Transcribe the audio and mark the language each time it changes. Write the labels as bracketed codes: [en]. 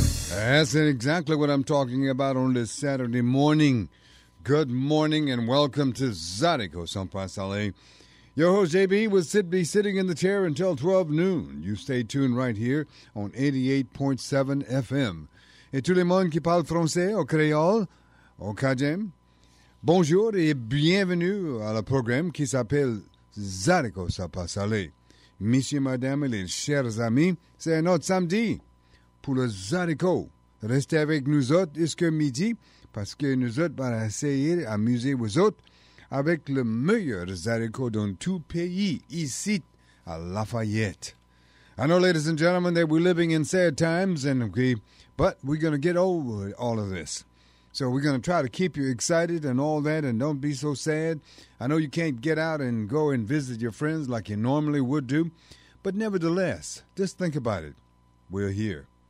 [en] That's exactly what I'm talking about on this Saturday morning. Good morning and welcome to Zydeco Sampasale. Your host, JB, will be sitting in the chair until 12 noon. You stay tuned right here on 88.7 FM. [fr] Et tout le monde qui parle français au créole, au cajem, bonjour et bienvenue à la programme qui s'appelle Zydeco Sampasale. Messieurs, madame et les chers amis, c'est notre samedi pour le Zydeco. Restez avec nous autres jusqu'à midi, parce que nous autres allons essayer d'amuser vous autres avec le meilleur Zydeco dans tout pays, ici, à Lafayette. [en] I know, ladies and gentlemen, that we're living in sad times, but we're going to get over all of this. So we're going to try to keep you excited and all that, and don't be so sad. I know you can't get out and go and visit your friends like you normally would do, but nevertheless, just think about it. We're here.